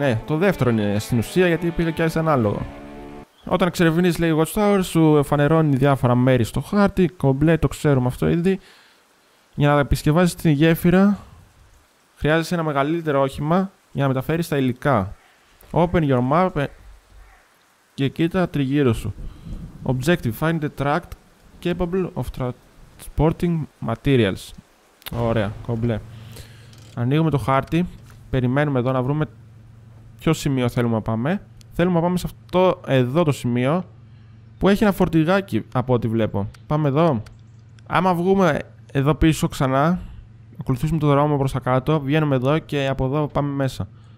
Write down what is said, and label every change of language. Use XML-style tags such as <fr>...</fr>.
<el>Ναι, το δεύτερο είναι στην ουσία γιατί πήγα κι άλλο ανάλογο. Όταν εξερευνείς λέει Watchtower, σου φανερώνει διάφορα μέρη στο χάρτη. Κομπλέ, το ξέρουμε αυτό ήδη. Για να επισκευάζεις την γέφυρα, χρειάζεσαι ένα μεγαλύτερο όχημα για να μεταφέρεις τα υλικά.</el> <en>Open your map</en> <el>και κοίτα τριγύρω σου.</el> <en>Objective, find a tract capable of transporting materials.</en> <el>Ωραία, κομπλέ. Ανοίγουμε το χάρτη. Περιμένουμε εδώ να βρούμε ποιο σημείο θέλουμε να πάμε. Θέλουμε να πάμε σε αυτό εδώ το σημείο που έχει ένα φορτηγάκι από ό,τι βλέπω. Πάμε εδώ. Άμα βγούμε εδώ πίσω ξανά, ακολουθήσουμε το δρόμο προς τα κάτω, βγαίνουμε εδώ και από εδώ πάμε μέσα.</el>